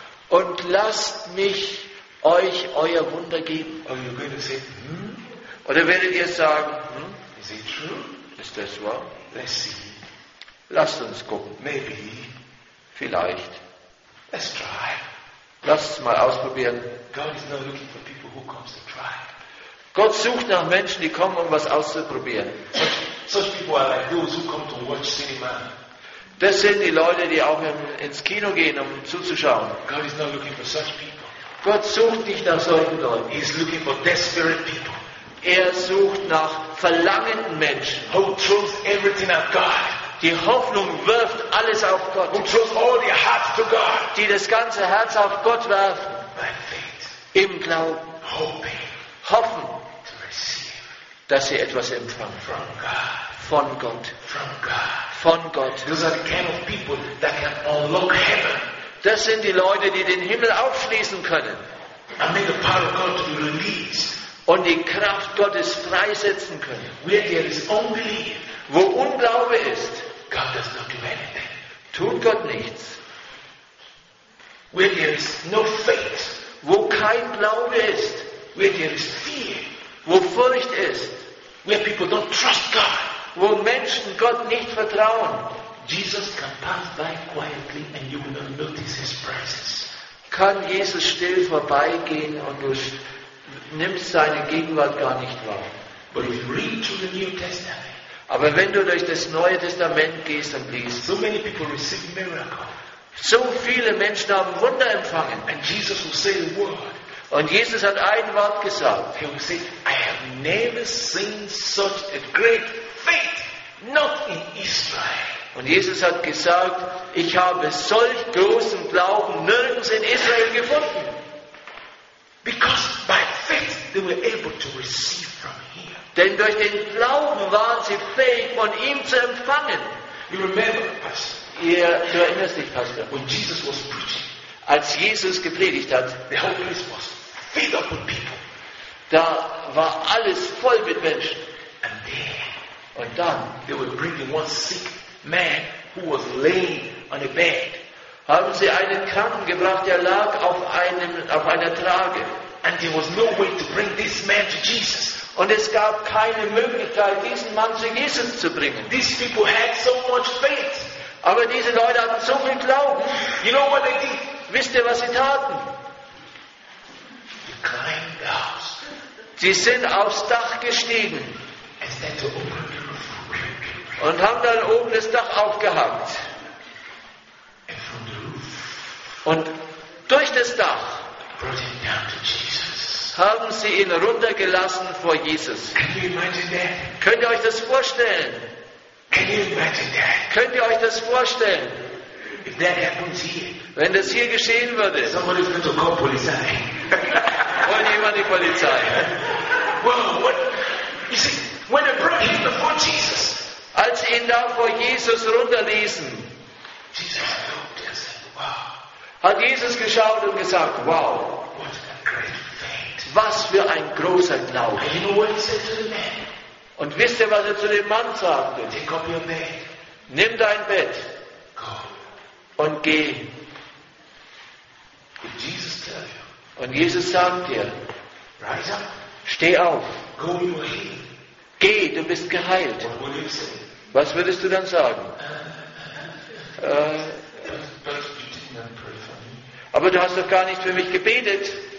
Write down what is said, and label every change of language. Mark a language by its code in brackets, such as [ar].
[de] Und lasst mich euch euer Wunder geben. [en] Are you going to say, [de] Oder werdet ihr sagen, [en] is it true? [de] Ist das wahr? [en] Let's see. [de] Lasst uns gucken. [en] Maybe. [de] Vielleicht. [en] Let's try. [de] Lasst es mal ausprobieren. [en] God is not looking for people who comes to try. [de] Gott sucht nach Menschen, die kommen, um was auszuprobieren. [en] Such people are like those who come to watch cinema. [de] Das sind die Leute, die auch ins Kino gehen, um zuzuschauen. [en] God is not looking for such people. [de] Gott sucht nicht nach solchen Leuten. [en] He is looking for desperate people. [de] Er sucht nach verlangenden Menschen. [en] Who throws everything at God. [de] Die Hoffnung wirft alles auf Gott. [en] Who throws all their hearts to God. [de] Die das ganze Herz auf Gott werfen. [en] By faith. [de] Im Glauben. [en] Hoping. [de] hoffen, [en] to receive, [de] dass sie etwas empfangen. [en] From God. [de] Von Gott. [en] From God. [de] Von Gott. [en] Those are the kind of people that can unlock heaven. [de] Das sind die Leute, die den Himmel aufschließen können. [en] And make the power of God to be released. [de] Und die Kraft Gottes freisetzen können. [en] Where there is unbelief, [de] wo Unglaube ist, [en] God does not do anything. [de] Tut Gott nichts. [en] Where there is no faith, [de] wo kein Glaube ist, [en] where there is fear, [de] wo Furcht ist, [en] where people don't trust God, [de] wo Menschen Gott nicht vertrauen, [en] Jesus can pass by quietly and you will not notice his presence. [de] Kann Jesus still vorbeigehen und du nimmst seine Gegenwart gar nicht wahr. [en] But if you read through the New Testament, [de] aber wenn du durch das Neue Testament gehst und liest, [en] so many people receive miracles. [de] So viele Menschen haben Wunder empfangen. [en] And Jesus will say the word. [de] Und Jesus hat ein Wort gesagt. [en] He will say, I have never seen such a great faith, not in Israel. [de] Und Jesus hat gesagt, ich habe solch großen Glauben nirgends in Israel gefunden. [en] Because by faith they were able to receive from him. [de] Denn durch den Glauben waren sie fähig, von ihm zu empfangen. [en] You remember, Pastor? [de] Du erinnerst dich, Pastor? [en] When Jesus was preaching, [de] als Jesus gepredigt hat, [en] the Holy Spirit was filled up with people. [de] Da war alles voll mit Menschen. [en] And then, [de] und dann, [en] they were bringing one sick man who was laying on a bed. [de] Haben sie einen Kranken gebracht, der lag auf einer Trage. [en] And there was no way to bring this man to Jesus. [de] Und es gab keine Möglichkeit, diesen Mann zu Jesus zu bringen. [en] These people had so much faith. [de] Aber diese Leute hatten so viel Glauben. [en] You know what they did? [de] Wisst ihr, was sie taten? [en] They climbed the house. [de] Sie sind aufs Dach gestiegen. [en] Instead to open the roof. [de] Und haben dann oben das Dach aufgehakt. [en] And from the roof. [de] Und durch das Dach [en] brought him down to Jesus. [de] Haben sie ihn runtergelassen vor Jesus. [en] Can you imagine that? [de] Könnt ihr euch das vorstellen? [en] Can you imagine that? [de] Könnt ihr euch das vorstellen? [en] If that happens here, [de] wenn das hier geschehen würde, [en] somebody is going to call Polizei. [de] Wollt jemand die Polizei? [en] Well, what? You see, when they brought him before Jesus, [de] als sie ihn da vor Jesus runterließen, [en] Jesus looked and said, wow. [de] Hat Jesus geschaut und gesagt, wow. Was für ein großer Glaube. [en] And you know what he said to the man? [de] Und wisst ihr, was er zu dem Mann sagte? [en] Take up your bed. [de] Nimm dein Bett. [en] Go. [de] Und geh. [en] Did Jesus tell you? [de] Und Jesus sagt dir, [en] rise up. [de] Steh auf. [en] Go, you are healed. [de] Geh, du bist geheilt. [en] What would you say? [de] Was würdest du dann sagen? [en] But you did not pray for me. [de] Aber du hast doch gar nicht für mich gebetet.